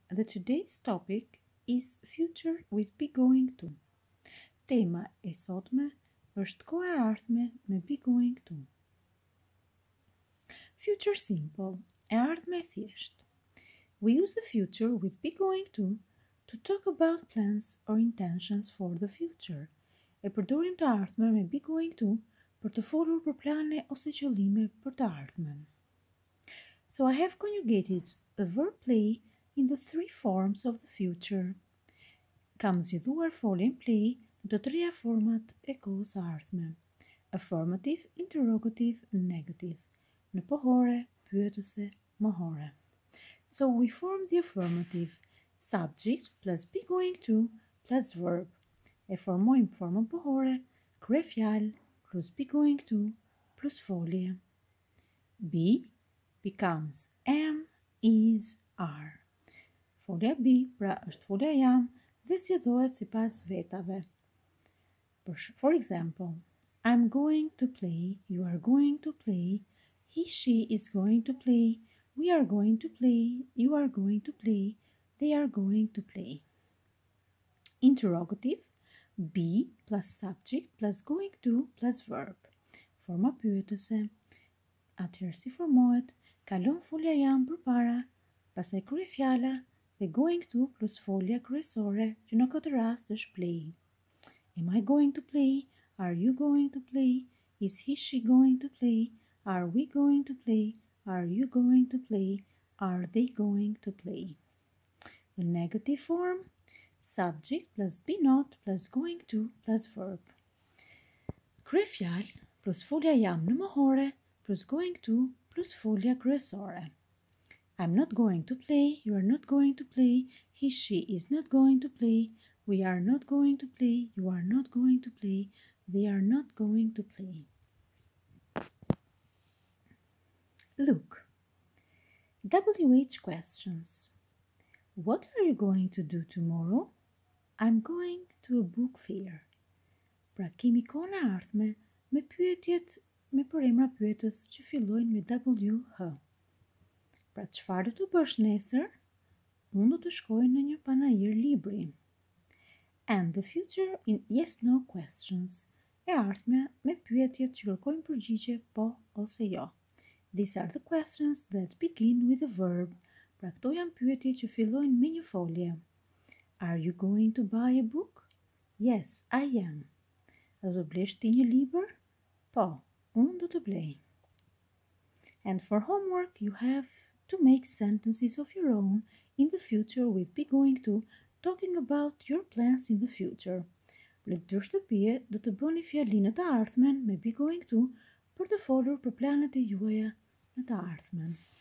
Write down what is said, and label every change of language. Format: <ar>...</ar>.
<en>The today's topic is Future with Be Going To.</en> <sq>Tema e sotme është koha e ardhme me Be Going To. Future simple, e ardhme thjesht.</sq> <en>We use the future with Be Going to talk about plans or intentions for the future.</en> <sq>E përdorim të ardhmen me Be Going To për të folur për plane ose qëllime për të ardhmen.</sq> <en>So I have conjugated the verb play in the three forms of the future.</en> <sq>Kam zgjedhuar foljen play në të treja format e kohës ardhme.</sq> <en>Affirmative, interrogative, negative.</en> <sq>Në pohore, pyetëse, mohore.</sq> <en>So we form the affirmative. Subject plus be going to plus verb.</en> <sq>E formojmë formën pohore, krye fjalë plus be going to plus folje.</sq> <en>Be becomes am, is, are.</en> <sq>Folja be, pra është folja jam, dhe zgjedhohet sipas vetave.</sq> <en>For example, I'm going to play, you are going to play, he, she is going to play, we are going to play, you are going to play, they are going to play. Interrogative, be plus subject plus going to plus verb.</en> <sq>Forma pyetëse, atëherë si formohet, kalon folja jam përpara, pastaj krye fjala dhe going to plus folja kryesore, që në këtë rast është play.</sq> <en>Am I going to play? Are you going to play? Is he she going to play? Are we going to play? Are you going to play? Are they going to play? The negative form, subject plus be not plus going to plus verb.</en> <sq>Krye fjalë plus folja jam në mohore plus going to plus folja kryesore.</sq> <en>I'm not going to play, you are not going to play, he, she is not going to play, we are not going to play, you are not going to play, they are not going to play. Look. WH questions. What are you going to do tomorrow? I'm going to a book fair.</en> <sq>Pra kemi kohën e ardhme me pyetjet me përemra pyetës që fillojnë me WH. Pra çfarë do të bësh nesër? Unë do të shkoj në një panajir libri.</sq> <en>And the future in yes no questions.</en> <sq>E ardhme me pyetjet që kërkojnë përgjigje po ose jo.</sq> <en>These are the questions that begin with a verb.</en> <sq>Pra këto janë pyetje që fillojnë me një folje.</sq> <en>Are you going to buy a book? Yes, I am.</en> <sq>A do blesh ti një libër? Po, unë do të blej.</sq> <en>And for homework, you have to make sentences of your own in the future with be going to, talking about your plans in the future.</en> <sq>Në dy shtëpie, do të bëni fjalinë të ardhmen me be going to për të folur për planet e juaja në të ardhmen.</sq>